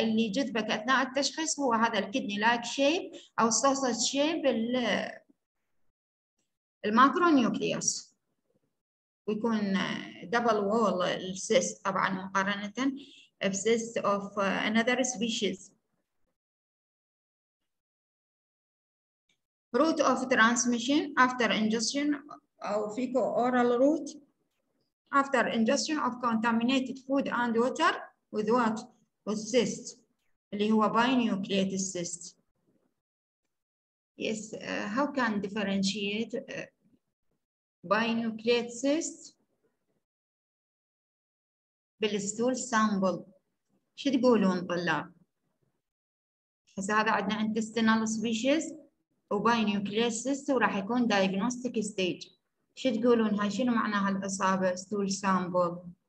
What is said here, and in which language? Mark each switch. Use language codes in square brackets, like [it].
[ar] اللي جذبك اثناء التشخيص هو هذا الكدني لايك شيب او صوص شيب الماكرونيوكليوس، ويكون دبل وول السيس طبعا مقارنه بسيس اوف انذر سبيشيز. [en] Route of transmission after ingestion أو fecal oral route after ingestion of contaminated food and water with what? With cyst [ar] اللي هو [en] binucleate cyst. Yes, how can differentiate binucleate cyst [ar] بالستول سامبل؟ شو تقولون طلاب؟ هسه هذا عندنا intestinal species وباي نيوكليسيس وراح يكون دايجنوستيك ستيج، شو تقولون هاي شنو معنى هالاصابه ستول سامبل؟